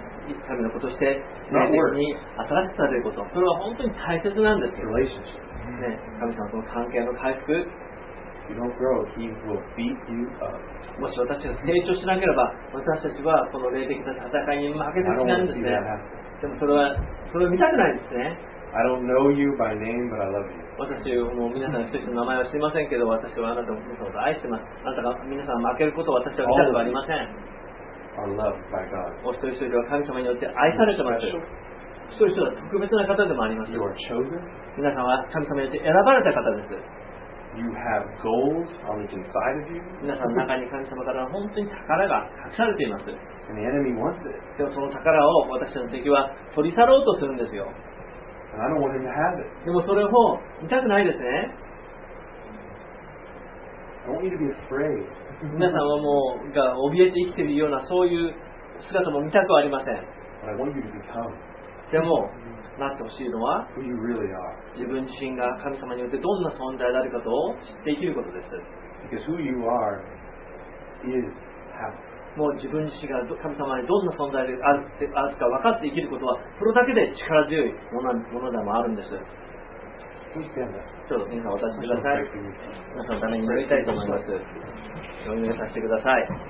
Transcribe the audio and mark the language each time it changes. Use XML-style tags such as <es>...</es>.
<ja>生きるためのことして、ね、自分に新しさということ、それは本当に大切なんですよ。</ja> <en>Relationship.</en> <ja>ね、神様との関係の回復。</ja> <en>You don't grow, he will beat you up.</en> <ja>もし私が成長しなければ、私たちはこの霊的な戦いに負けてしまうんですね。でもそれは見たくないですね。</ja> <en>I don't know you by name, but I love you.</en> <ja>私はもう皆さん一つの名前は知りませんけど、私はあなたを皆さんと愛しています。あなたが皆さん負けることを私は見たくありません。</ja> <en>Are loved by God.</en> <ja>お一人一人は神様によって愛されてます。一人一人は特別な方でもあります。</ja> <en>You are chosen.</en> <ja>皆さんは神様によって選ばれた方です。</ja> <en>You have gold on the inside of you.</en> <ja>皆さんの中に神様から本当に宝が隠されています。</ja> <en>And the enemy wants it.</en> <ja>でもその宝を私の敵は取り去ろうとするんですよ。</ja> <en>And I don't want him to have it.</en> <ja>でもそれも見たくないですね。</ja> <en>I want you to be afraid.</en> <ja>皆さんはもうが怯えて生きているようなそういう姿も見たくはありません。</ja> <en>But I want you to become.</en> <ja>でもなってほしいのは、</ja> <en>Who you really are.</en> <ja>自分自身が神様によってどんな存在であるかと知っていけることです。</ja> <en>Because who you are is happy.</en> <ja>もう自分自身が神様にどんな存在であるか分かって生きることはそれだけで力強いものでもあるんです。ちょっと皆さんお立ちください。皆さんのために祈りたいと思います。お祈りさせてください。</ja>